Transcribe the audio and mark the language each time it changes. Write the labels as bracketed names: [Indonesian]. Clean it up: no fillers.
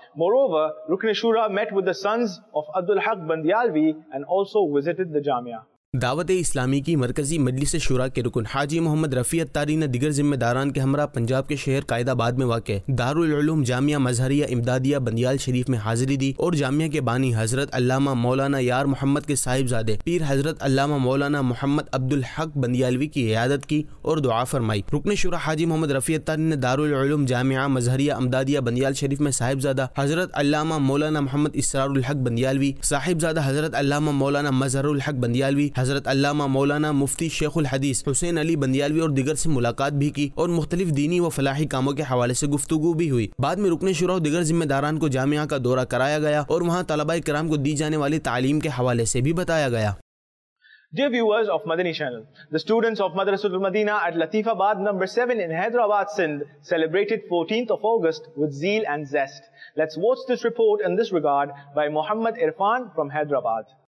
[English] Moreover, Rukn Shura met with the sons of Abdul Haq Bandialvi and also visited the Jamia. [Urdu] دعوت اسلامی کی مرکزی مجلس شورا کے رکن حاجی محمد رفیع اتاری نے دیگر ذمہ داران کے ہمراہ پنجاب کے شہر قائد آباد میں واقع دارالعلوم جامعہ مظہریہ امدادیہ بندیال شریف میں حاضری دی اور جامعہ کے بانی حضرت علامہ مولانا یار محمد کے صاحبزادے پیر حضرت علامہ مولانا محمد عبدالحق بندیالوی کی عیادت کی اور دعا فرمائی۔ رکن شورا حاجی محمد رفیع اتاری نے دارالعلوم جامعہ مظہریہ امدادیہ بندیال شریف میں صاحبزادہ حضرت علامہ مولانا محمد اسرار الحق بندیالوی، صاحبزادہ حضرت علامہ مولانا مظہر الحق بندیالوی، حضرت علامہ مولانا مفتی شیخ الحدیث حسین علی بندیالوی اور دیگر سے ملاقات بھی کی اور مختلف دینی و فلاحی کاموں کے حوالے سے گفتگو بھی ہوئی۔ بعد میں رکن شورا اور دیگر ذمہ داران کو جامعہ کا دورہ کرایا گیا اور وہاں طلباء کرام کو دی جانے والی تعلیم کے حوالے سے بھی بتایا گیا۔ [English] Dear viewers of Madani Channel, the students of Madrasat al-Madina at Latifabad number 7 in Hyderabad, Sindh celebrated 14th of August with zeal and zest. Let's watch this report in this regard by Muhammad Irfan from Hyderabad.